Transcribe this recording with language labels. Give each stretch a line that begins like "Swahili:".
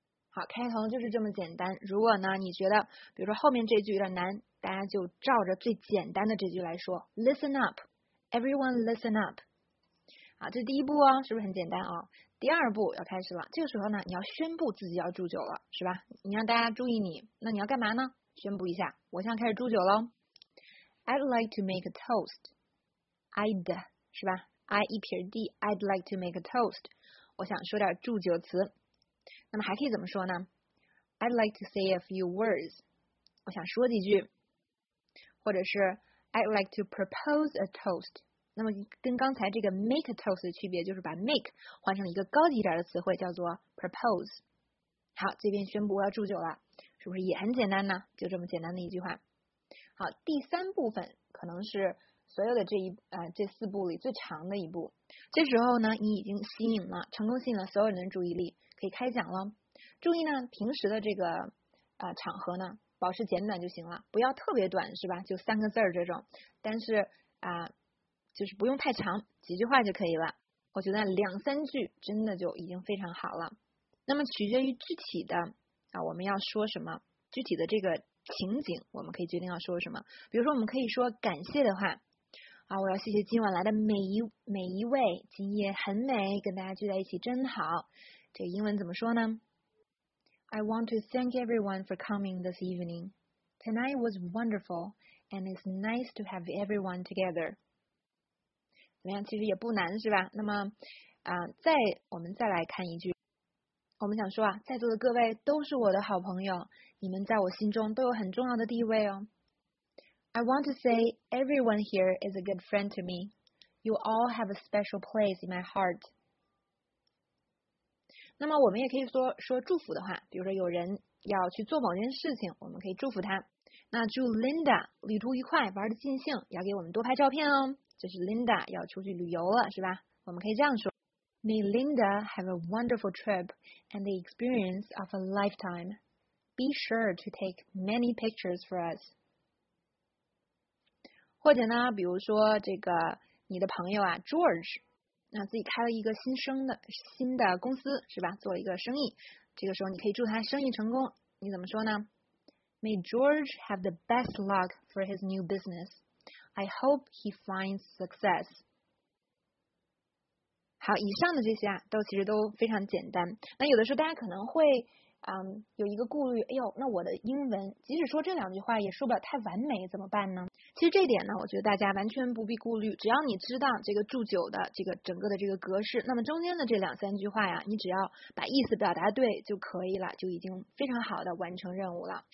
Chinese: 好，开头就是这么简单。如果呢，你觉得比如说后面这句有点难，大家就照着最简单的这句来说，
English: Listen up, everyone, listen up。
Chinese: 好，这是第一步哦，是不是很简单啊？第二步要开始了，这个时候呢，你要宣布自己要祝酒了，是吧？你让大家注意你，那你要干嘛呢？宣布一下，我现在开始祝酒喽。
English: I'd like to make a toast. I'd。
Chinese: 是吧？I 一撇 D，
English: I'd like to make a toast。
Chinese: 我想说点祝酒词。那么还可以怎么说呢？
English: I'd like to say a few words。
Chinese: 我想说几句，或者是
English: I'd like to propose a toast。
Chinese: 那么跟刚才这个
English: make a toast
Chinese: 的区别就是把 make 换成一个高级点的词汇，叫做 propose。好，这边宣布我要祝酒了，是不是也很简单呢？就这么简单的一句话。好，第三部分可能是。所有的这四步里最长的一步，这时候呢，你已经吸引了，成功吸引了所有人的注意力，可以开讲了。注意呢，平时的这个场合呢，保持简短就行了，不要特别短，是吧？就3个字儿这种，但是就是不用太长，几句话就可以了。我觉得2、3句真的就已经非常好了。那么取决于具体的我们要说什么，具体的这个情景，我们可以决定要说什么。比如说，我们可以说感谢的话。啊，我要谢谢今晚来的每一位，今夜很美，跟大家聚在一起真好。
English: 这个英文怎么说呢？I want to thank everyone for coming this evening. Tonight was wonderful, and it's nice to have everyone together.
Chinese: 怎么样？其实也不难，是吧？那么，我们再来看一句，我们想说啊，在座的各位都是我的好朋友，你们在我心中都有很重要的地位哦。
English: I want to say everyone here is a good friend to me. You all have a special place in my heart.
Chinese: 那么我们也可以说祝福的话，比如说有人要去做某件事情，我们可以祝福他。那祝 Linda 旅途愉快，玩得尽兴，要给我们多拍照片哦。这是 Linda 要出去旅游了，是吧？我们可以这样说：
English: May Linda have a wonderful trip and the experience of a lifetime. Be sure to take many pictures for us.
Chinese: 或者呢，比如说这个你的朋友啊，George，那自己开了一个新的公司是吧？做了一个生意，这个时候你可以祝他生意成功，你怎么说呢
English: May George have the best luck for his new business. I hope he finds success.
Chinese: 好，以上的这些啊，都其实都非常简单。那有的时候大家可能会有一个顾虑，哎呦，那我的英文即使说这两句话也说不了太完美，怎么办呢？其实这点呢，我觉得大家完全不必顾虑，只要你知道这个祝酒的这个整个的这个格式，那么中间的这两三句话呀，你只要把意思表达对就可以了，就已经非常好的完成任务了。